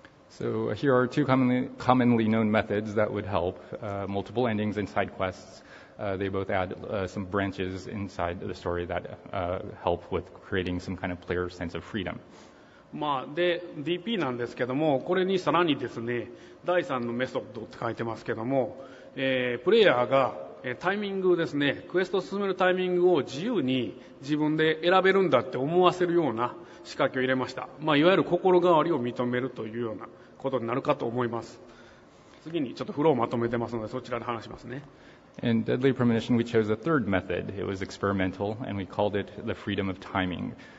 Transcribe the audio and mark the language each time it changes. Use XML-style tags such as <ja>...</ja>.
<en>So here are two commonly known methods that would help, multiple endings and side quests. They both add some branches inside the story that help with creating some kind of player sense of freedom.</en> <ja>まあ、で、DP なんですけども、これにさらにですね、第三のメソッドって書いてますけども、プレイヤーがタイミングですね、クエストを進めるタイミングを自由に自分で選べるんだって思わせるような仕掛けを入れました。まあ、いわゆる心変わりを認めるというようなことになるかと思います。次にちょっとフローをまとめてますので、そちらで話しますね。</ja> <en>In Deadly Premonition, we chose a third method. It was experimental, and we called it the freedom of timing.</en>